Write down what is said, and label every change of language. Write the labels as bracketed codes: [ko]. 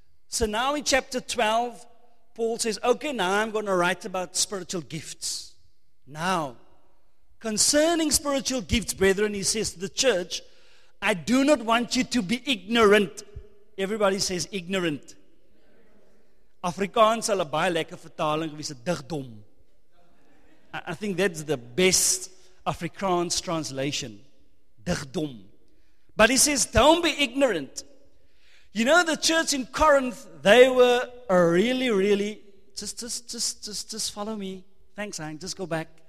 [en] So now in chapter 12, Paul says, okay, now I'm going to write about spiritual gifts. Now, concerning spiritual gifts, brethren, he says to the church, I do not want you to be ignorant. Everybody says ignorant. [af] Afrikaans sal 'n baie lekker vertaling wees, digdom. [en] I think that's the best Afrikaans translation. Digdom. But he says, don't be ignorant. You know, the church in Corinth, they were a really, really, just follow me. Thanks, Hank. Just go back.